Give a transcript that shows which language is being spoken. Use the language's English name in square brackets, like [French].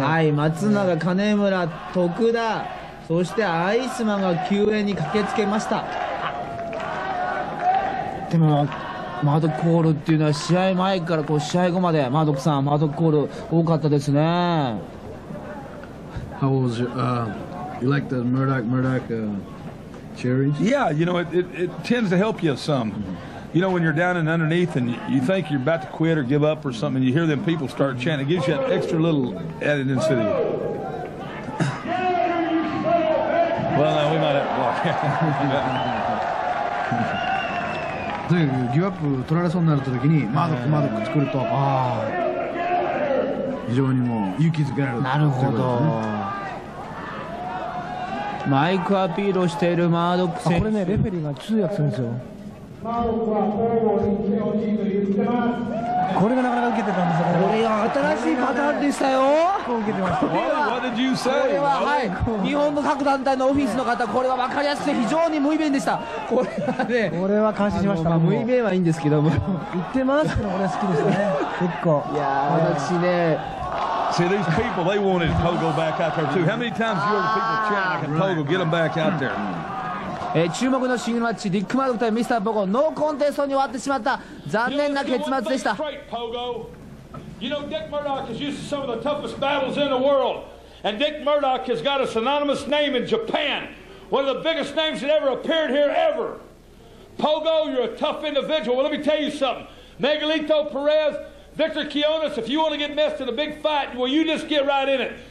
[Japanese] はい、松永、金村、徳田、そしてアイスマンが救援に駆けつけました。でもマドックコールっていうのは試合前からこう試合後までマドックさん、マドックコール多かったですね。 [English] How was your, you like the Murdoch cherries? Yeah, you know, it tends to help you some. Mm-hmm. You know, when you're down and underneath and you think you're about to quit or give up or something, you hear them people start chanting, it gives you an extra little added incentive. Well, now we might have to block. [Japanese] で、ギブアップ取られそうになった時にマドック、マドック作ると、ああ、非常にもう勇気づけられる。なるほど。マイクアピールをしているマードック選手。これね、レフェリーが通訳するんですよ。マードックは交互に気持ちいいと言ってます。これがなかなか受けてたんですよ。これは新しいパターンでしたよ。これは、はい、日本の各団体のオフィスの方、これは分かりやすくて非常に無意弁でした。これはね、これは感心しました。無意弁はいいんですけども、言ってますけど、これは好きですね結構。いやー、はい、私ね、 [English] See, these people, they wanted Togo back out there too. How many times do you hear people chant like Togo, get them back out there? [Japanese] 注目のシングルマッチ、ディック・マドック対ミスター・ポーゴ、ノーコンテストに終わってしまった残念な結末でした。 [English] You know, Dick Murdoch has used some of the toughest battles in the world. And Dick Murdoch has got a synonymous name in Japan. One of the biggest names that ever appeared here, ever. Pogo, you're a tough individual. Well, let me tell you something. Megalito Perez, Victor Quiñones, if you want to get messed in a big fight, well, you just get right in it.